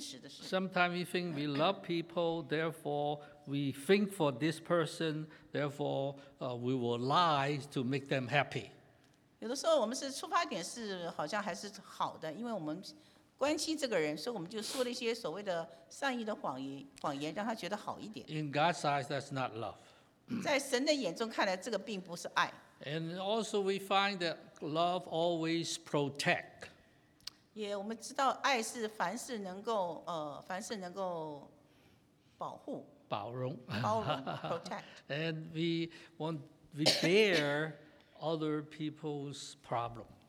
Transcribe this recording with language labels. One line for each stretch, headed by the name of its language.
English: Sometimes we think we love people, therefore we think for this person, therefore we will lie to make them happy.
Chinese: 有的时候我们是出发点是好像还是好的，因为我们关心这个人，所以我们就说了一些所谓的善意的谎言，让他觉得好一点。
English: In God's eyes, that's not love.
Chinese: 在神的眼中看来，这个并不是爱。
English: And also, we find that love always protects.
Chinese: 也我们知道爱是凡事能够凡事能够保护包容
English: protect and we bear other people's problem.